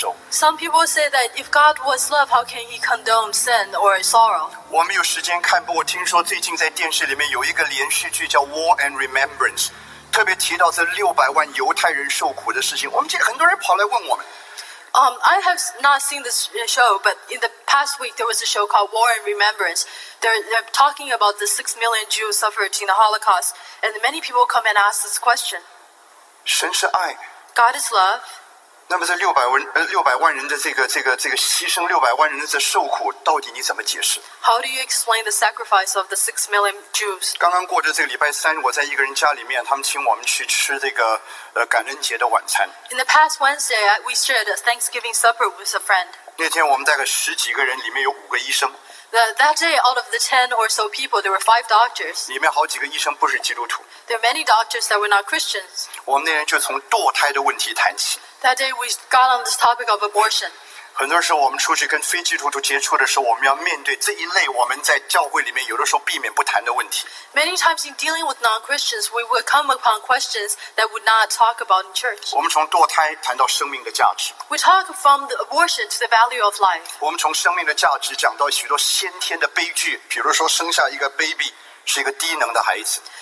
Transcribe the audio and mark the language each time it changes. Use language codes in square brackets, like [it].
[en] Some people say that if God was love, how can He condone sin or sorrow? [zh] 我没有时间看，不过听说最近在电视里面有一个连续剧叫《War and Remembrance》，特别提到这600万犹太人受苦的事情。我们见很多人跑来问我们。 [en] I have not seen this show, but in the past week there was a show called War and Remembrance. They're talking about the 6 million Jews suffered in the Holocaust, and many people come and ask this question. [zh] 神是爱。 [en] God is love. [zh] 那么这600万人的这个牺牲，600万人的受苦，到底你怎么解释？ [en] How do you explain the sacrifice of the 6 million Jews? [zh] 刚刚过着这个礼拜三，我在一个人家里面，他们请我们去吃这个感恩节的晚餐。 [en] In the past Wednesday, we shared a Thanksgiving supper with a friend. [zh] 那天我们大概十几个人，里面有五个医生。 [en] That day, out of the 10 or so people, there were 5 doctors. [zh] 里面好几个医生不是基督徒。 [en] There were many doctors that were not Christians. [zh] 我们那天就从堕胎的问题谈起。 [en] That day, we got on this topic of abortion. [zh] 很多时候我们出去跟非基督徒接触的时候，我们要面对这一类我们在教会里面有的时候避免不谈的问题。 [en] Many times in dealing with non-Christians, we would come upon questions that would not talk about in church. [zh] 我们从堕胎谈到生命的价值。 [en] We talk from the abortion to the value of life. [zh] 我们从生命的价值讲到许多先天的悲剧，比如说生下一个 baby 是一个低能的孩子。